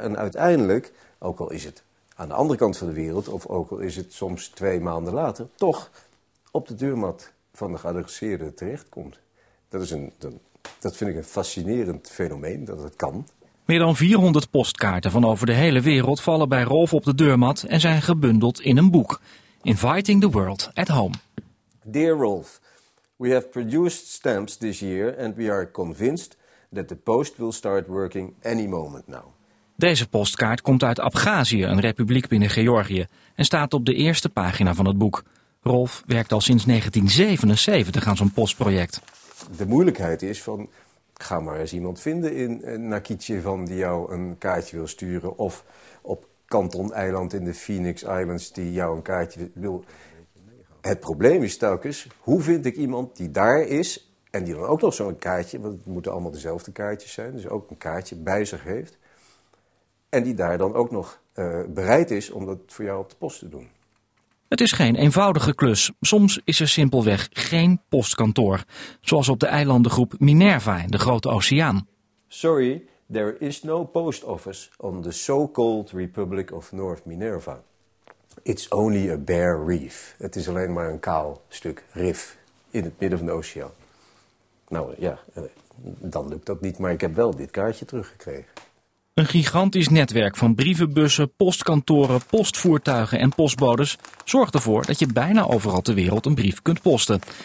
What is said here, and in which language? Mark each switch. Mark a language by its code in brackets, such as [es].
[nl] En uiteindelijk, ook al is het aan de andere kant van de wereld, of ook al is het soms 2 maanden later, toch op de deurmat van de geadresseerde terechtkomt. Dat is dat vind ik een fascinerend fenomeen, dat het kan. Meer dan 400 postkaarten van over de hele wereld vallen bij Rolf op de deurmat en zijn gebundeld in een boek. [en] Inviting the World at Home. Dear Rolf, we have produced stamps this year and we are convinced that the post will start working any moment now. [nl] Deze postkaart komt uit Abchazië, een republiek binnen Georgië, en staat op de eerste pagina van het boek. Rolf werkt al sinds 1977 aan zo'n postproject. De moeilijkheid is van, ga maar eens iemand vinden in Nakhitjevan die jou een kaartje wil sturen, of op Kanton-eiland in de Phoenix Islands die jou een kaartje wil. Het probleem is telkens, hoe vind ik iemand die daar is en die dan ook nog zo'n kaartje, want het moeten allemaal dezelfde kaartjes zijn, dus ook een kaartje bij zich heeft. En die daar dan ook nog bereid is om dat voor jou op de post te doen. Het is geen eenvoudige klus. Soms is er simpelweg geen postkantoor. Zoals op de eilandengroep Minerva in de Grote Oceaan. [en] Sorry, there is no post office on the so-called Republic of North Minerva. It's only a bare reef. [nl] Het is alleen maar een kaal stuk rif in het midden van de oceaan. Nou ja, dan lukt dat niet, maar ik heb wel dit kaartje teruggekregen. Een gigantisch netwerk van brievenbussen, postkantoren, postvoertuigen en postbodes zorgt ervoor dat je bijna overal ter wereld een brief kunt posten.